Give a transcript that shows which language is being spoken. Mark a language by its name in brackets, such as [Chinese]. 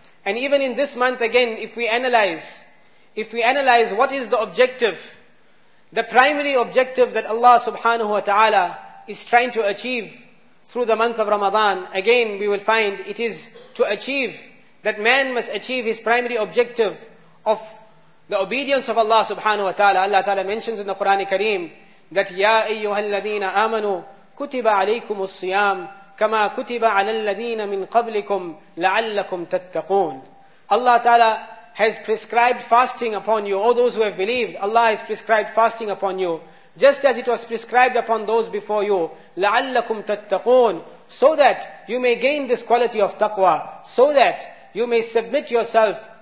[English] And even in this month again, if we analyze what is the objective, the primary objective that Allah subhanahu wa ta'ala is trying to achieve through the month of Ramadan, again we will find it is to achieve, that man must achieve his primary objective of the obedience of Allah subhanahu wa ta'ala. Allah Ta'ala mentions in the Quran Kareem that, [Arabic] يَا أَيُّهَا الَّذِينَ آمَنُوا كُتِبَ عَلَيْكُمُ الصِّيَامُ كَمَا كُتِبَ عَلَى الَّذِينَ مِنْ قَبْلِكُمْ لَعَلَّكُمْ تَتَّقُونَ. [English] Allah Ta'ala has prescribed fasting upon you, all those who have believed. Allah has prescribed fasting upon you, just as it was prescribed upon those before you, [Arabic] لَعَلَّكُمْ تَتَّقُونَ, [English] so that you may gain this quality of taqwa, so that you may submit yourself